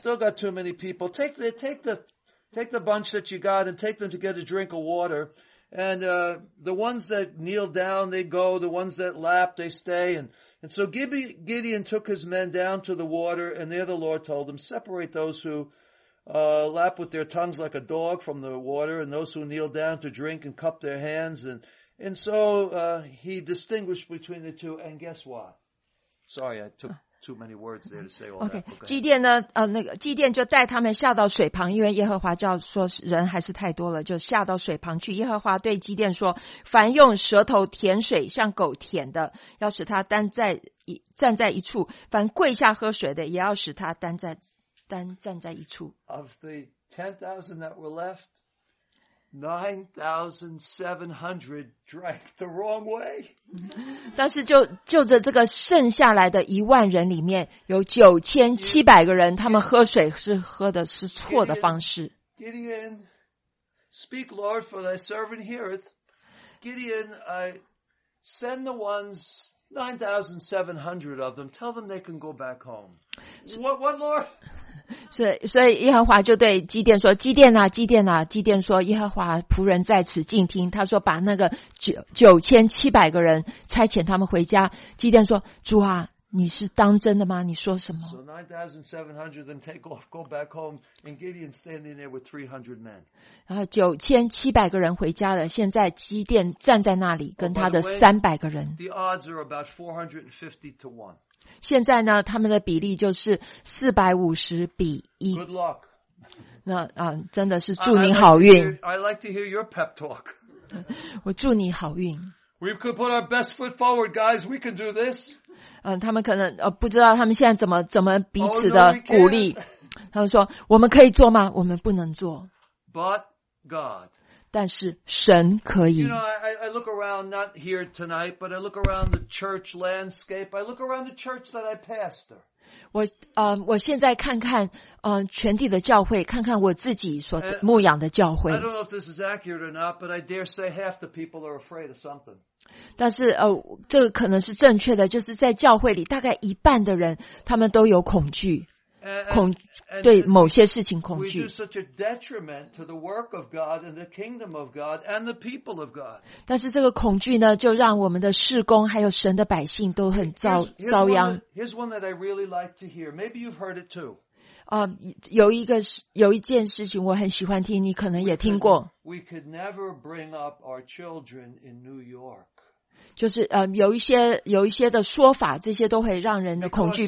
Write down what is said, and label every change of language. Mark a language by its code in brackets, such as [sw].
[en] You still got too many people, take the bunch that you got and take them to get a drink of water, and the ones that kneel down, they go, the ones that lap, they stay, And so Gideon took his men down to the water, and there the Lord told him, separate those who lap with their tongues like a dog from the water, and those who kneel down to drink and cup their hands. And so he distinguished between the two, and guess what? Sorry, I took... Too many words there to say all okay, that. [zh] Okay, 基甸呢？那个基甸就带他们下到水旁，因为耶和华叫说人还是太多了，就下到水旁去。耶和华对基甸说：“凡用舌头舔水，像狗舔的，要使他站在一处；凡跪下喝水的，也要使他站在一处。” [en] Of the 10,000 that were left, 9,700 drank the wrong way. [zh] 但是就着这个剩下来的一万人里面有9700个人他们喝水是喝的是错的方式。 [en] Gideon, speak Lord for thy servant heareth. Gideon, I send the ones, 9,700 of them, tell them they can go back home. What Lord? [zh] 所以耶和华就对基甸说基甸啊基甸啊基甸说耶和华仆人在此静听他说把那个9700个人差遣他们回家基甸说主啊你是当真的吗你说什么 [en] So 9,700 then take off go back home and Gideon standing there with 300 men [zh] 然后9700个人回家了现在基甸站在那里跟他的300个人 [en] The odds are about 450-1 [zh] 现在呢他们的比例就是450-1 [en] Good luck. [zh] 那真的是祝你好运。 [en] I like to hear your pep talk. [zh] 我祝你好运。 [en] We could put our best foot forward, guys. We can do this. [zh] 他们可能不知道他们现在怎么彼此的鼓励。他们说我们可以做吗？我们不能做。 [en] But God. [zh] 但是神可以。 [en] You know, I look around, not here tonight, but I look around the church landscape. I look around the church that I pastor. [zh] 我现在看看全地的教会，看看我自己所牧养的教会。 [en] I don't know if this is accurate or not, but I dare say half the people are afraid of something. [zh] 但是这个可能是正确的，就是在教会里大概一半的人他们都有恐惧。对某些事情恐惧。 [en] We do such a detriment to the work of God and the kingdom of God and the people of God. [zh] 但是这个恐惧呢，就让我们的事工还有神的百姓都很遭殃。 [en] Here's one that I really like to hear. Maybe you've heard it too. [zh] 有一件事情我很喜欢听，你可能也听过。 [en] We could never bring up our children in New York. [zh] 就是有一些的说法，这些都会让人的恐惧。